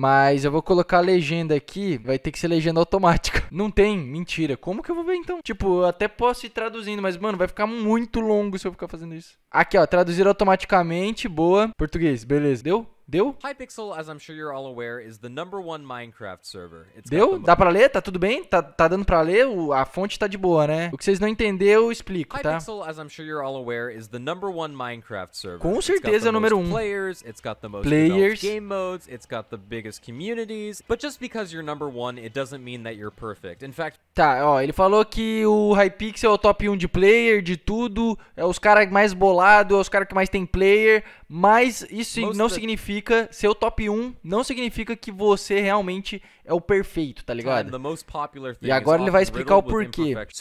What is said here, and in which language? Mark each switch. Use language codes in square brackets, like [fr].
[pt] Mas eu vou colocar a legenda aqui. Vai ter que ser legenda automática. Não tem, mentira. Como que eu vou ver então? Tipo, eu até posso ir traduzindo, mas mano, vai ficar muito longo se eu ficar fazendo isso. Aqui, ó, traduzir automaticamente. Boa. Português, beleza. Deu? Deu? [en] Hypixel, as I'm sure you're all aware, is the number one Minecraft server. [pt] Deu? Dá pra ler? Tá tudo bem? Tá dando pra ler? A fonte tá de boa, né? O que vocês não entenderam, eu explico, tá? [en] Hypixel, as I'm sure you're all aware, is the number one Minecraft server. [pt] Com certeza é o número um. [en] Players, it's got the most players. Developed game modes, it's got the biggest communities. But just because you're number one, it doesn't mean that you're perfect. In fact... [pt] Tá, ó, ele falou que o Hypixel é o top 1 de player, de tudo. É os caras mais bolados, é os caras que mais tem player. Mas isso não significa, ser o top 1 não significa que você realmente é o perfeito, tá ligado? E agora ele vai explicar o porquê.